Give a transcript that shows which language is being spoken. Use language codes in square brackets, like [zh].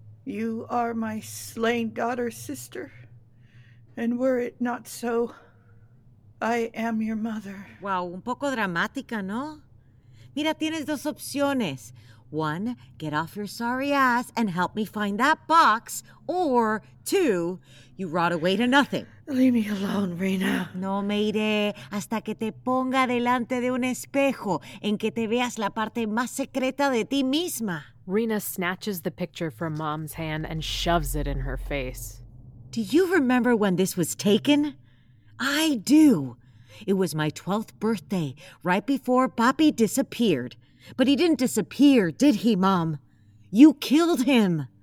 [en] You are my slain daughter's sister, and were it not so, I am your mother. [es] Wow, un poco dramática, ¿no? Mira, tienes dos opciones. [en] One, get off your sorry ass and help me find that box, or two, you rot away to nothing. Leave me alone, Rena. [es] No me iré hasta que te ponga delante de un espejo en que te veas la parte más secreta de ti misma. [en] Rena snatches the picture from Mom's hand and shoves it in her face. Do you remember when this was taken? I do. It was my 12th birthday, right before Papi disappeared. But he didn't disappear, did he, Mom? You killed him.